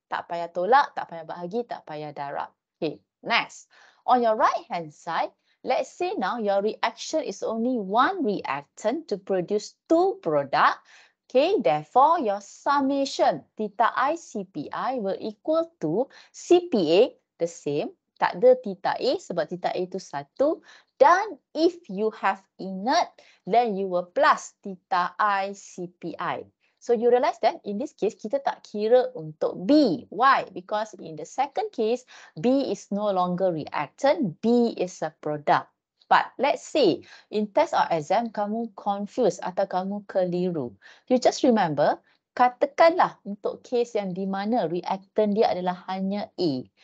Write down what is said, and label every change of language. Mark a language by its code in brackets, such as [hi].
[ms] Tak payah tolak, tak payah bahagi, tak payah darab. [en] Okay, next. On your right hand side, let's say now your reaction is only one reactant to produce two product. Okay, therefore your summation theta I CPI will equal to CPA, the same, [ms] tak ada theta A sebab theta A itu satu. [en] Dan if you have inert, then you will plus theta I CPI. So you realize that in this case, [ms] kita tak kira untuk B. [en] Why? Because in the second case, B is no longer reactant, B is a product. But let's say in test or exam, [ms] kamu confused atau kamu keliru. [en] You just remember, [ms] katakanlah untuk case yang di mana reactant dia adalah hanya A.